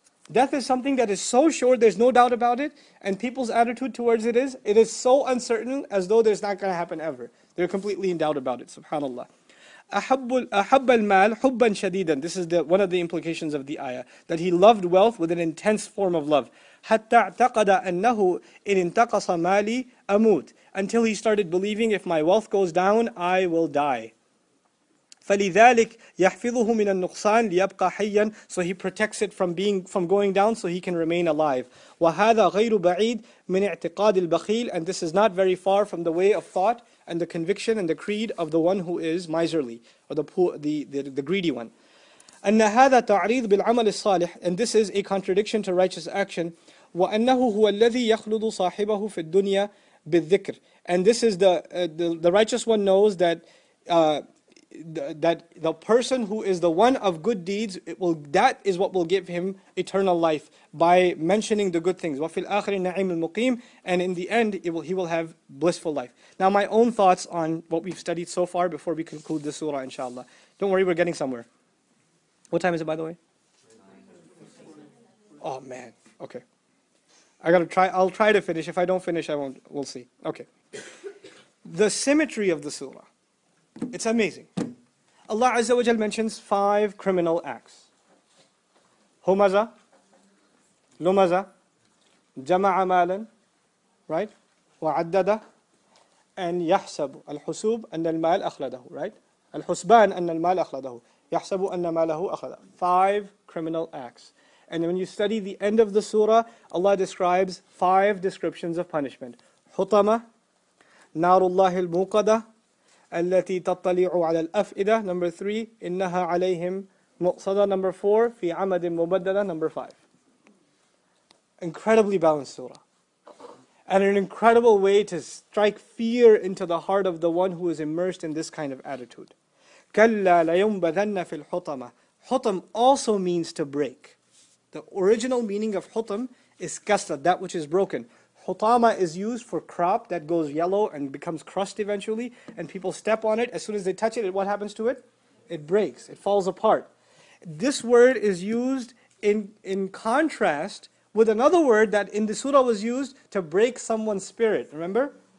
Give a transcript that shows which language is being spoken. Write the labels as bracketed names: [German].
[English] Death is something that is so sure, there's no doubt about it, and people's attitude towards it is so uncertain, as though there's not going to happen ever. They're completely in doubt about it, subhanAllah. [Arabic] أحب المال حبا شديدا. [English] This is one of the implications of the ayah, that he loved wealth with an intense form of love. [Arabic] حتى اعتقد أنه إن انتقص مالي أموت. [English] Until he started believing, if my wealth goes down, I will die. [Arabic] فلذلك يحفظه من النقصان ليبقى حيا. [English] So he protects it from going down, so he can remain alive. [Arabic] وهذا غير بعيد من اعتقاد البخيل. [English] And this is not very far from the way of thought and the conviction and the creed of the one who is miserly, or the poor, the greedy one. [Arabic] أن هذا تعريض بالعمل الصالح. [English] And this is a contradiction to righteous action. [Arabic] وأنه هو الذي يخلد صاحبه في الدنيا بالذكر. [English] And this is the righteous one knows that the person who is the one of good deeds, that is what will give him eternal life by mentioning the good things. [Arabic] وَفِي الْآخِرِ النَّعِيمِ الْمُقِيمِ [English] And in the end, he will have blissful life. Now my own thoughts on what we've studied so far before we conclude this surah, inshallah. Don't worry, we're getting somewhere. What time is it, by the way? Oh man, okay. I'll try to finish. If I don't finish, I won't. We'll see. Okay. The symmetry of the surah. It's amazing. Allah Azza wa Jal mentions five criminal acts. Humaza, Lumaza, Jama'a Malan, right? Wa'addada, and Yahsabu. Al-Husub, Anna al-Mal akhladahu, right? Al-Husban, Anna al-Mal akhladahu. Yahsabu, Anna malahu akhladahu. Five criminal acts. And when you study the end of the surah, Allah describes five descriptions of punishment. [Arabic] Hutama, Narullah al-Muqada, التي تطلع على الأفئدة [English] number 3 [Arabic] إنها عليهم مقصدة [English] number 4 [Arabic] في عمد مبددة [English] number 5 Incredibly balanced surah. And an incredible way to strike fear into the heart of the one who is immersed in this kind of attitude. [Arabic] كلا لينبذن في الحطمة حطم [English] also means to break. The original meaning of حطم is كسر, that which is broken. Hutama is used for crop that goes yellow and becomes crust eventually, and people step on it. As soon as they touch it, what happens to it? It breaks. It falls apart. This word is used in contrast with another word that in the surah was used to break someone's spirit. Remember?